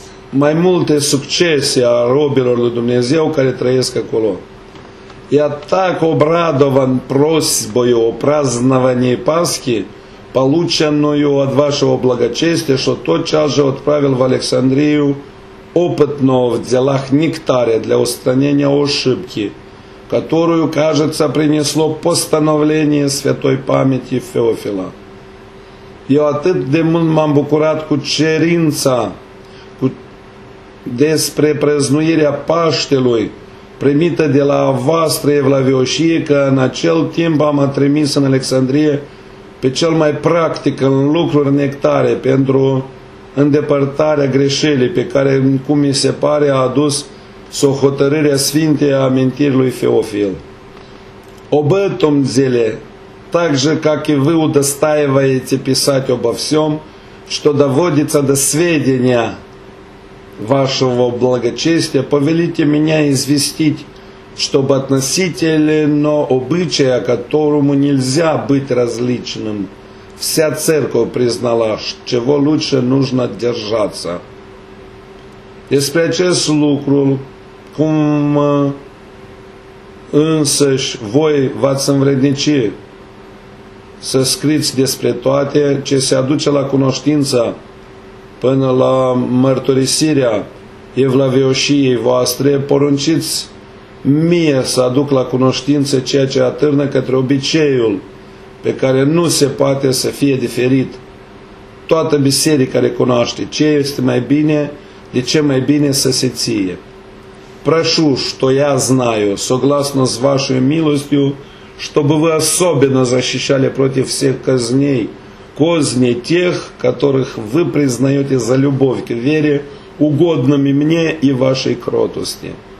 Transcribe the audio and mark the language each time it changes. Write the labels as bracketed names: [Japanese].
[Romanian] Mai multe succese a robilor lui Dumnezeu care trăiesc acolo. [Russian] Я так обрадован просьбою о праздновании Пасхи, полученную от вашего благочестия, что тотчас же отправил в Александрию опытного в делах нектария для устранения ошибки, которую, кажется, принесло постановление святой памяти Феофила. [Romanian] Eu atât de mult m-am bucurat cu cerința despre prăznuirea Paștelui primită de la voastră evlavioșie, că în acel timp am trimis în Alexandrie pe cel mai practic în lucruri nectare pentru îndepărtarea greșelii pe care, cum mi se pare, a adus s-o hotărârea Sfintei amintirii lui Феофил. [Russian] Об этом деле, так же, как и вы удостаиваете писать обо всем, что доводится до сведения вашего благочестия, повелите меня известить, чтобы относительно обычая, которому нельзя быть различным, вся церковь признала, чего лучше нужно держаться. [Romanian] Despre acest lucru, cum însăși voi v-ați învrednici să scriți despre toate ce se aduce la cunoștință până la mărturisirea evlavioșiei voastre, porunciți mie să aduc la cunoștință ceea ce atârnă către obiceiul pe care nu se poate să fie diferit. Toată biserica recunoaște ce este mai bine, de ce mai bine să se ție. [Russian] Прошу, что я знаю, согласно с вашей милостью, чтобы вы особенно защищали против всех казней, козни тех, которых вы признаете за любовь к вере, угодными мне и вашей кротости.